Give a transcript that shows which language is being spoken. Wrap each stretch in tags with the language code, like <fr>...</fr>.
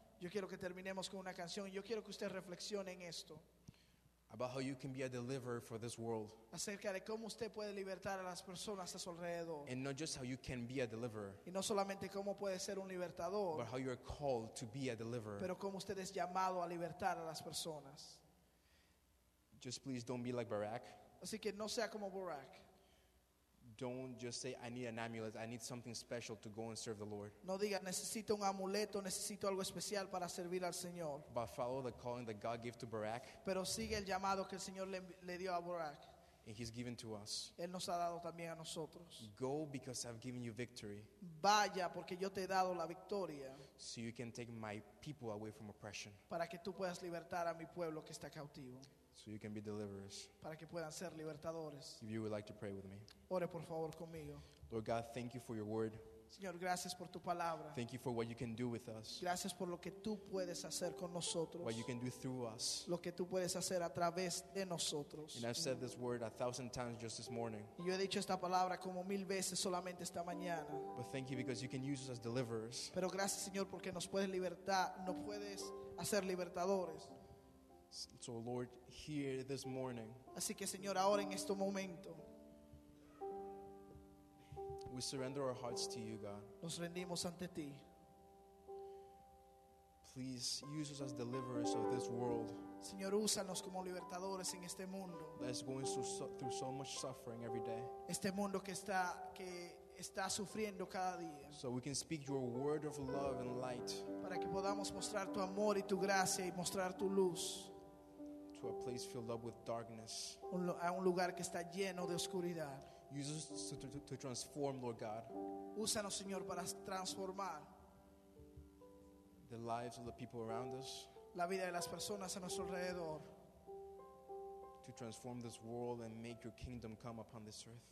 <es>Yo quiero que terminemos con una canción y yo quiero que usted reflexione en esto.</es> <en>About how you can be a deliverer for this world.</en> <es>Acerca de cómo usted puede libertar a las personas a su alrededor.</es> <en>And not just how you can be a deliverer.</en> <es>Y no solamente cómo puede ser un libertador.</es> <en>But how you are called to be a deliverer.</en> <es>Pero cómo usted es llamado a libertar a las personas.</es> <en>Just please don't be like Barak.</en> <es>Así que no sea como Barak.</es> <en>Don't just say, I need an amulet. I need something special to go and serve the Lord.</en> <es>No diga, necesito un amuleto, necesito algo especial para servir al Señor.</es> <en>But follow the calling that God gave to Barak.</en> <es>Pero sigue el llamado que el Señor le dio a Barak.</es> <en>And he's given to us.</en> <es>Él nos ha dado también a nosotros.</es> <en>Go because I've given you victory.</en> <es>Vaya porque yo te he dado la victoria.</es> <en>So you can take my people away from oppression.</en> <es>Para que tú puedas libertar a mi pueblo que está cautivo.</es> <en>So you can be deliverers.</en> <es>Para que puedan ser libertadores.</es> <en>If you would like to pray with me.</en> <es>Ore por favor conmigo.</es> <en>Lord God, thank you for your word.</en> <es>Señor, gracias por tu palabra.</es> <en>Thank you for what you can do with us.</en> <es>Gracias por lo que tú puedes hacer con nosotros.</es> <en>What you can do through us.</en> <es>Lo que tú puedes hacer a través de nosotros.</es> <en>And I've said this word 1,000 times just this morning.</en> <es>Y yo he dicho esta palabra como 1,000 veces solamente esta mañana.</es> <en>But thank you because you can use us as deliverers.</en> <es>Pero gracias, Señor, porque nos puedes libertar, nos puedes hacer libertadores.</es> <en>So Lord, here this morning.</en> <es>Así que Señor, ahora en este momento.</es> <en>We surrender our hearts to you, God.</en> <es>Nos rendimos ante ti.</es> <en>Please use us as deliverers of this world.</en> <es>Señor, úsanos como libertadores en este mundo.</es> <en>That's going through so much suffering every day.</en> <es>Este mundo que está sufriendo cada día.</es> <en>So we can speak your word of love and light.</en> <es>Para que podamos mostrar tu amor y tu gracia y mostrar tu luz.</es> <en>To a place filled up with darkness.</en> <es>A un lugar que está lleno de oscuridad.</es> <en>Use us to transform, Lord God.</en> <es>Úsanos, Señor, para transformar.</es> <en>The lives of the people around us.</en> <es>La vida de las personas a nuestro alrededor.</es> <en>To transform this world and make your kingdom come upon this earth.</en>